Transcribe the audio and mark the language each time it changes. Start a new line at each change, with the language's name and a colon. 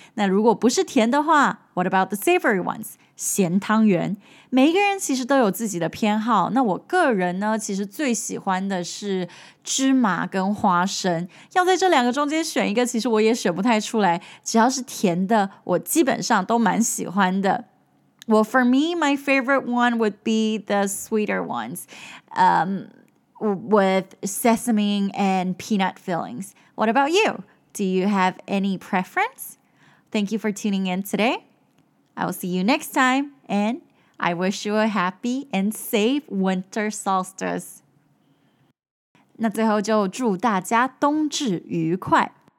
Chinese: 那如果不是甜的话 ，
English: What about the savory ones？
Chinese: 咸汤圆。每一个人其实都有自己的偏好。那我个人呢，其实最喜欢的是芝麻跟花生。要在这两个中间选一个，其实我也选不太出来。只要是甜的，我基本上都蛮喜欢的。
English: Well, for me, my favorite one would be the sweeter ones. With sesame and peanut fillings. What about you? Do you have any preference? Thank you for tuning in today. I will see you next time, and I wish you a happy and safe winter solstice.
Chinese: 那最后就祝大家冬至愉快。